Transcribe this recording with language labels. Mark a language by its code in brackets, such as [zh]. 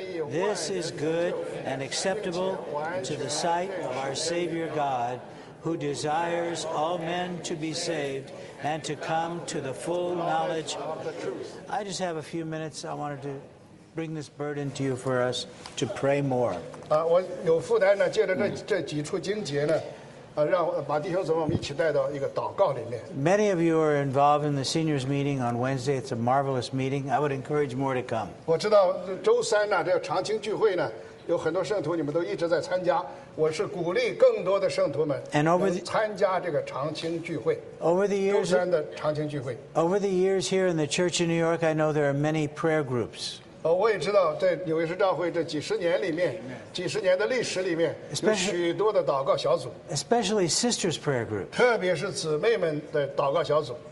[en] This is good and acceptable to the sight of our Savior God. Who desires all men to be saved and to come to the full knowledge of the truth. I just have a few minutes. I wanted to bring this burden to you for us to pray more. [zh] 我有负担呢，借着这几处经节呢，让把弟兄姊妹们一起带到一个祷告里面。 [en] Many of you are involved in the seniors meeting on Wednesday. It's a marvelous meeting. I would encourage more to come. [zh] 我知道周三呢，这长青聚会呢。有很多圣徒，你们都一直在参加。我是鼓励更多的圣徒们参加这个长青聚会。 [en] Over the years, [zh] 周三的长青聚会。 [en] Over the years here in the church in New York, I know there are many prayer groups. [zh] 我也知道，在纽约市教会这几十年里面，几十年的历史里面，有许多的祷告小组。 [en] Especially sisters' prayer group. [zh] 特别是姊妹们的祷告小组。